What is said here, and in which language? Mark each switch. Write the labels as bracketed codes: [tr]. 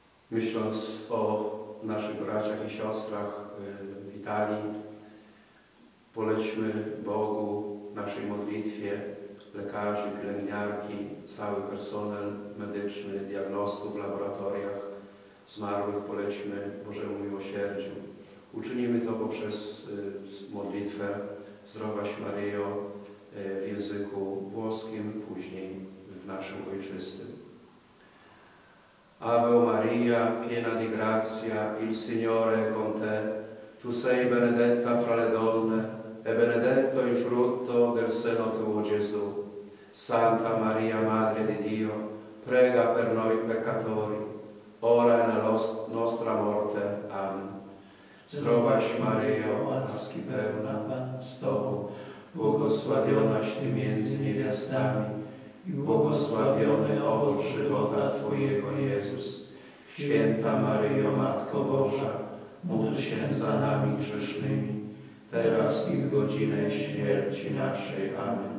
[pl] Myśląc o naszych braciach i siostrach w Italii, polećmy Bogu w naszej modlitwie, lekarzy, pielęgniarki, cały personel medyczny, diagnostów w laboratoriach, zmarłych polećmy Bożemu Miłosierdziu. Uczynimy to poprzez modlitwę Zdrowaś Maryjo w języku włoskim, później w naszym ojczystym. [it] Ave Maria, piena di grazia, il Signore è con te, tu sei benedetta fra le donne, e benedetto il frutto del seno tuo, Gesù. Santa Maria, Madre di Dio, prega per noi peccatori, ora e nella nostra morte. Amen. [pl] Zdrowaś Maryjo, łaski pełna, Pan z Tobą, błogosławionaś Ty między niewiastami i błogosławiony owoc żywota Twojego, Jezus. Święta Maryjo, Matko Boża, módl się za nami grzesznymi, teraz i w godzinę śmierci naszej. Amen.